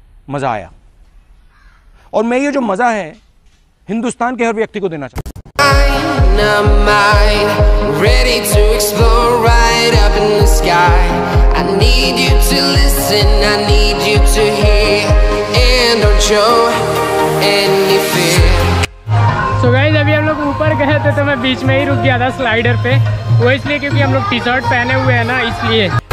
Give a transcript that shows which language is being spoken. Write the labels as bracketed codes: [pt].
[hi] मजा आया और मैं ये जो मजा है हिंदुस्तान के हर व्यक्ति को देना चाहता हूं। [en] dynamite, ready to explore right up in the sky. I need you to listen, I need you to hear, and don't show any fear. [hi] So guys, अभी हम लोग ऊपर गए थे तो मैं बीच में ही रुक गया था स्लाइडर पे, वो इसलिए क्योंकि हम लोग टी-शर्ट पहने हुए हैं ना, इसलिए.